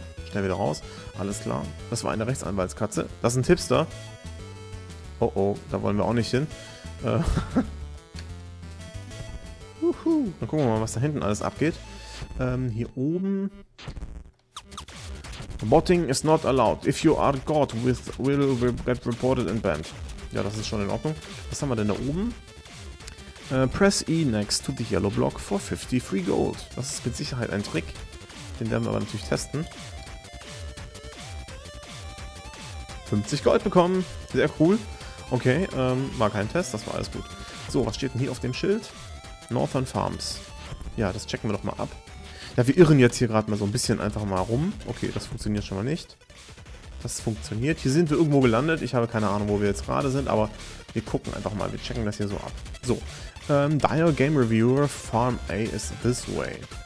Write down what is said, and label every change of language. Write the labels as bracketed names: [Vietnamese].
[German] Schnell wieder raus. Alles klar. Das war eine Rechtsanwaltskatze. Das ist ein Tipster. Oh oh, da wollen wir auch nicht hin. Dann gucken wir mal, was da hinten alles abgeht. Hier oben. [English] Botting is not allowed. If you are God, will get reported and banned. [German] Ja, das ist schon in Ordnung. Was haben wir denn da oben? [English] Press E next to the yellow block for 50 free gold. [German] Das ist mit Sicherheit ein Trick. Den werden wir aber natürlich testen. 50 Gold bekommen. Sehr cool. Okay, war kein Test, das war alles gut. So, was steht denn hier auf dem Schild? Northern Farms. Ja, das checken wir doch mal ab. Ja, wir irren jetzt hier gerade mal so ein bisschen einfach mal rum. Okay, das funktioniert schon mal nicht. Das funktioniert. Hier sind wir irgendwo gelandet. Ich habe keine Ahnung, wo wir jetzt gerade sind, aber wir gucken einfach mal. Wir checken das hier so ab. [English] So, Dire Game Reviewer Farm A is this way.